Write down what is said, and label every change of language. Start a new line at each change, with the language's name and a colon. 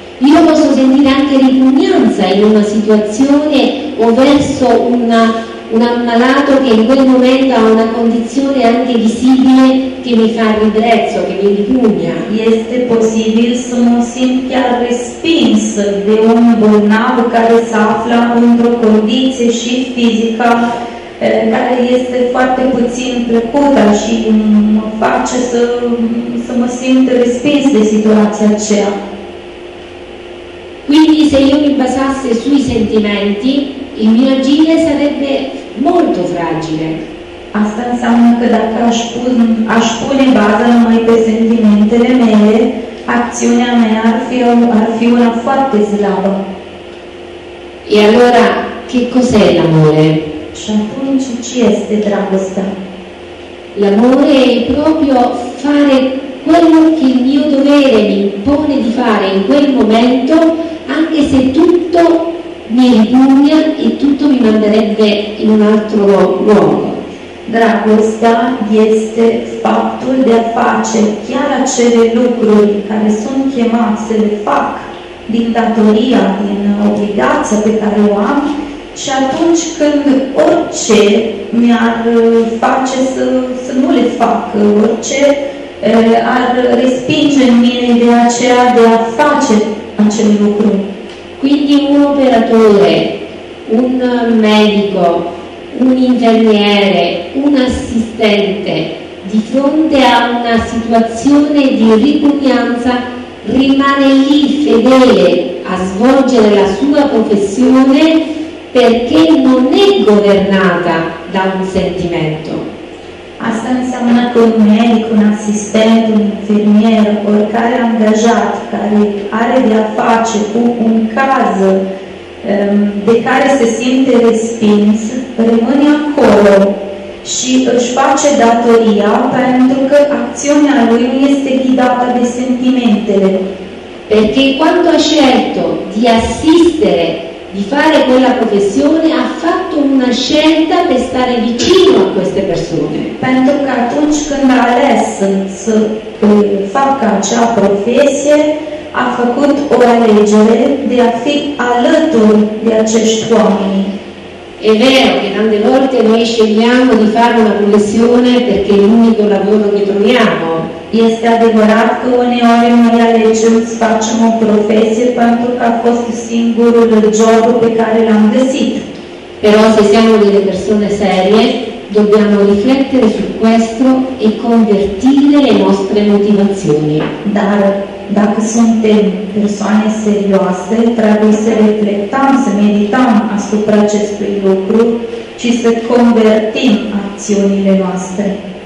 Italian: Io posso sentire anche ripugnanza in una situazione o verso un ammalato che in quel momento ha una condizione anche visibile che mi fa ribrezzo, che mi ripugna.
Romanian: Este posibil să mă simt chiar respins de un bolnav care se află într-o condiție și fizică care este foarte puțin plăcută și mă face să mă simt respins de situația aceea.
Italian: Quindi se io mi basasse sui sentimenti, il mio agire sarebbe molto fragile.
Romanian: Asta înseamnă că dacă aș pune bază numai pe sentimentele mele, acțiunea mea ar fi una foarte slabă.
Italian: E allora, che cos'è l'amore?
Romanian: Și atunci, ce este dragostea?
Italian: L'amore è proprio fare quello che il mio dovere mi impone di fare in quel momento, anche se tutto mi ripugna e tutto mi manderebbe in un altro luogo.
Romanian: Dragostea este faptul de a face chiar acele lucruri care sunt chemat să le fac din datoria, din obligația pe care o am, și atunci când orice mi-ar face să nu le fac, orice ar respinge în mine ideea aceea de a face acel lucru.
Italian: Quindi un operatore, un medico, un ingegnere, un assistente, di fronte a una situazione di ripugnanza, rimane lì fedele a svolgere la sua professione perché non è governata da un sentimento.
Romanian: Asta înseamnă că un medic, un assistente, un infermier, oricare angajat care are de a face cu un caz de care se simte respins, rămâne acolo și își face datoria pentru că acțiunea lui nu este ghidată de sentimentele.
Italian: Perché quando ha scelto di assistere, di fare quella professione, ha fatto una scelta per stare vicino a queste persone.
Romanian: Pentru că atunci când a ales să facă acea profesie, a făcut o alegere de a fi alături de acești oameni.
Italian: È vero che tante volte noi scegliamo di fare una professione perché è l'unico lavoro che troviamo.
Romanian: Este adevărat că uneori noi alegem să facem o profesie pentru că a fost singurul job pe care l-am găsit.
Italian: Però se siamo delle persone serie, dobbiamo riflettere su questo e convertire le nostre motivazioni.
Romanian: Dar dacă suntem persoane serioase, trebuie să reflectăm, să medităm asupra acestui lucru și să convertim acțiunile noastre.